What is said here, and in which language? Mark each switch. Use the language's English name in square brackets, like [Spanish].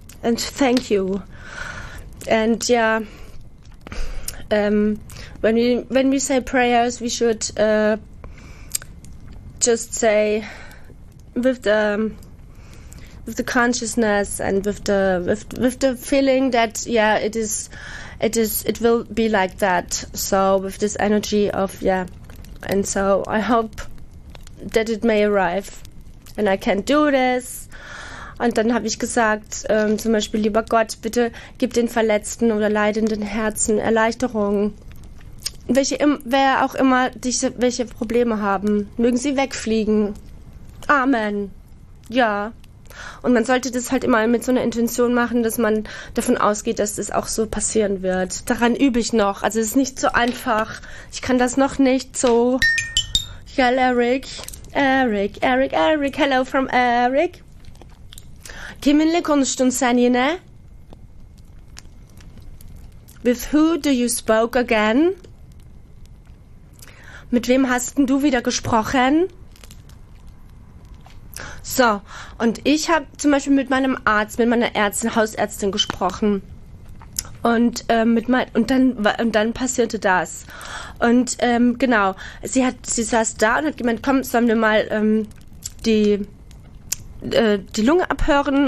[English] And thank you. And yeah, when we say prayers, we should just say with the consciousness and with the feeling that yeah, it will be like that. So with this energy of yeah, and so I hope that it may arrive. And I can't do this. [German] Und dann habe ich gesagt, zum Beispiel, lieber Gott, bitte gib den verletzten oder leidenden Herzen Erleichterung. Welche, wer auch immer diese, welche Probleme haben, mögen sie wegfliegen. Amen. Ja. Und man sollte das halt immer mit so einer Intention machen, dass man davon ausgeht, dass das auch so passieren wird. Daran übe ich noch. Also es ist nicht so einfach. Ich kann das noch nicht so. [English] Ja, Eric. Eric, Eric, Eric. Hello from Eric. [Turkish] Kiminle konuştun sen yine? [English] With who do you spoke again? [German] Mit wem hast denn du wieder gesprochen? So, und ich habe zum Beispiel mit meinem Arzt, mit meiner Ärztin, Hausärztin gesprochen. Und dann passierte das. Und genau, sie saß da und hat gemeint, komm, sollen wir mal die Lunge abhören?